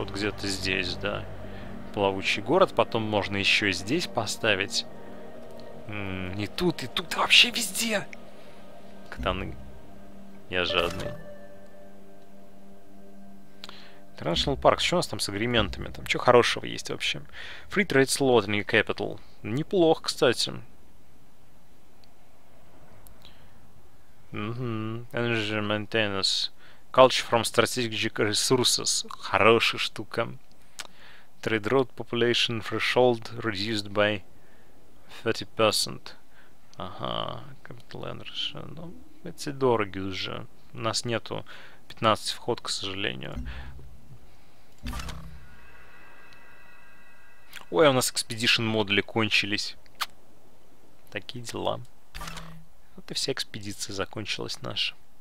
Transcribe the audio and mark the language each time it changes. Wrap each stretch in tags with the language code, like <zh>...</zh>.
<ru>Вот где-то здесь, да. Плавучий город. Потом можно еще и здесь поставить. И тут, и тут, и вообще везде. Катаны. Я жадный.</ru> <en>International Park.</en> <ru>Что у нас там с агрементами? Там что хорошего есть вообще?</ru> <en>Free Trade Slot, New Capital.</en> <ru>Неплохо, кстати.</ru> <en>Energy maintenance. Culture from strategic resources.</en> <ru>Хорошая штука.</ru> <en>Trade route population threshold reduced by 30%. Ага, Capital Energy.</en> <ru>Ну, эти дороги уже. У нас нету 15 вход, к сожалению. Ой, у нас экспедишн модули кончились. Такие дела. Вот и вся экспедиция закончилась наша.</ru>